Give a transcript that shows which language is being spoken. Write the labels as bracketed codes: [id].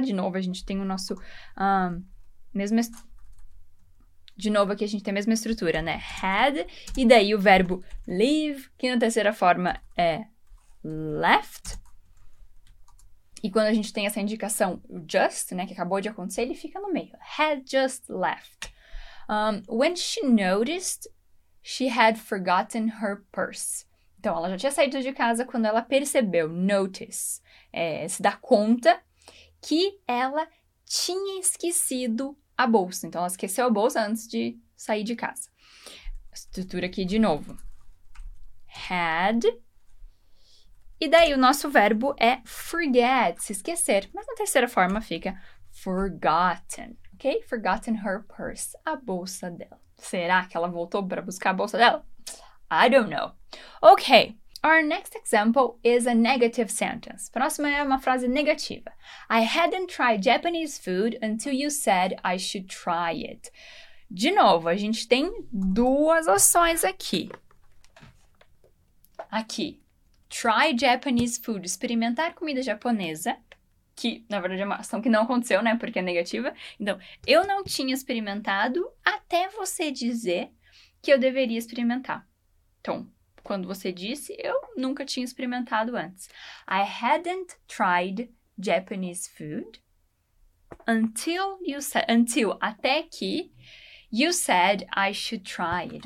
[pt] De novo, a gente tem o nosso mesmo... De novo, aqui a gente tem a mesma estrutura, né? Had, e daí o verbo leave, que na terceira forma é left. E quando a gente tem essa indicação, just, né? Que acabou de acontecer, ele fica no meio. [en] Had just left. When she noticed, she had forgotten her purse. [pt] Então, ela já tinha saído de casa quando ela percebeu, notice, se dá conta que ela tinha esquecido a bolsa. Então, ela esqueceu a bolsa antes de sair de casa. Estrutura aqui de novo. Had. E daí, o nosso verbo é forget, se esquecer. Mas na terceira forma fica forgotten, ok? [en] Forgotten her purse, [pt] a bolsa dela. Será que ela voltou para buscar a bolsa dela? [en] I don't know. Ok, our next example is a negative sentence. [pt] Próxima é uma frase negativa. [en] I hadn't tried Japanese food until you said I should try it. [pt] De novo, a gente tem duas ações aqui. Aqui. [en] Try Japanese food. [pt] Experimentar comida japonesa. Que, na verdade, é uma ação que não aconteceu, né? Porque é negativa. Então, eu não tinha experimentado até você dizer que eu deveria experimentar. Então... Quando você disse, eu nunca tinha experimentado antes. [en] I hadn't tried Japanese food until you said, until, [pt] até que, [en] you said I should try it.